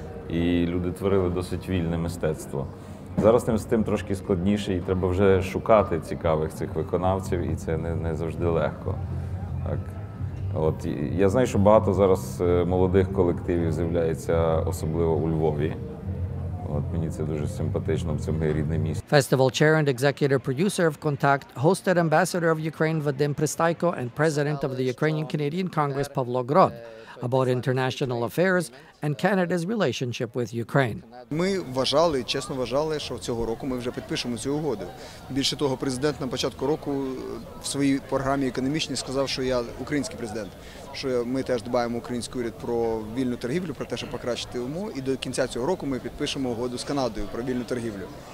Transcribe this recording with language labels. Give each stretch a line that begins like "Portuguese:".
Ukrainian: І люди творили досить вільне мистецтво. Зараз з тим трошки складніше, і треба вже шукати цікавих цих виконавців, і це не завжди легко. Так. От, я знаю, що багато зараз молодих колективів з'являється, особливо у Львові. От, мені це дуже симпатично, це моє рідне місто.
English: Festival chair and executive producer of KONTAKT hosted ambassador of Ukraine Vadim Pristaiko and president of the Ukrainian Canadian Congress Pavlo Grod about international affairs and Canada's relationship with Ukraine.
Ukrainian: Ми вважали, чесно вважали, що цього року ми вже підпишемо цю угоду. Більше того, президент на початку року в своїй програмі економічній сказав, що я український президент, що ми теж дбаємо, український уряд, про вільну торгівлю, про те, щоб покращити умови. І до кінця цього року ми підпишемо угоду з Канадою про вільну торгівлю.